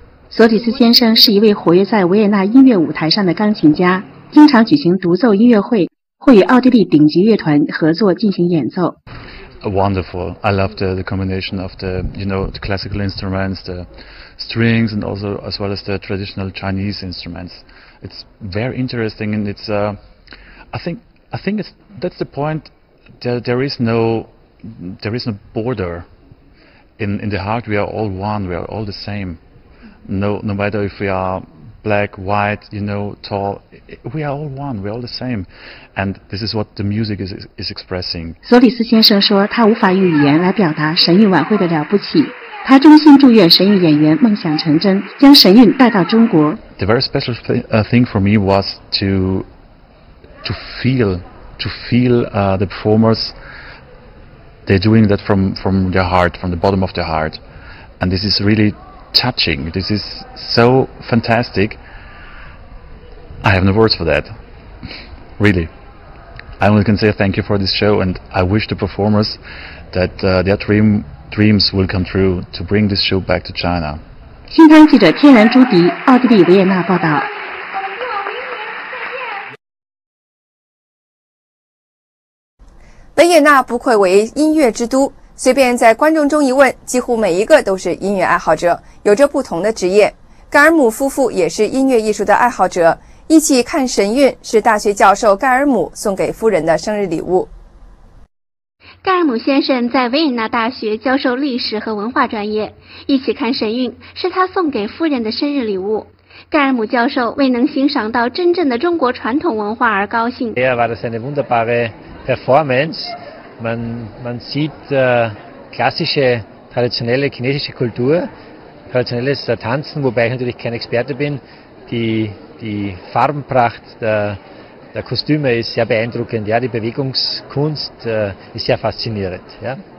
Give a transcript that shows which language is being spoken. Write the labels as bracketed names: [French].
[Chinese] 索里斯先生是一位活跃在维也纳音乐舞台上的钢琴家，经常举行独奏音乐会，会与奥地利顶级乐团合作进行演奏。 [English] Wonderful. I love the combination of the, you know, the classical instruments, the strings, and also as well as the traditional Chinese instruments. It's very interesting, and it's, I think it's, that's the point, that there is no border in the heart. We are all one, we are all the same. No matter if we are black, white, you know, tall, we are all one, we are all the same. And this is what the music is expressing. [Chinese] 索里斯先生说他无法用语言来表达神韵晚会的了不起。他衷心祝愿神韵演员梦想成真，将神韵带到中国。 [English] The very special thing for me was to feel the performers, they're doing that from their heart, from the bottom of their heart. And this is really touching. This is so fantastic. I have no words for that. Really. I only can say thank you for this show, and I wish the performers that their dreams will come true to bring this show back to China. [Chinese] 新疆记者天然朱迪，奥地利维也纳报道。维也纳不愧为音乐之都，随便在观众中一问，几乎每一个都是音乐爱好者，有着不同的职业。盖尔姆夫妇也是音乐艺术的爱好者，一起看神韵是大学教授盖尔姆送给夫人的生日礼物。盖尔姆先生在维也纳大学教授历史和文化专业，一起看神韵是他送给夫人的生日礼物。盖尔姆教授为能欣赏到真正的中国传统文化而高兴。 [German] Ja, war das eine wunderbare Performance. Man sieht klassische, traditionelle chinesische Kultur, traditionelles Tanzen, wobei ich natürlich kein Experte bin. Die Farbenpracht der Kostüme ist sehr beeindruckend. Ja, die Bewegungskunst ist sehr faszinierend. Ja.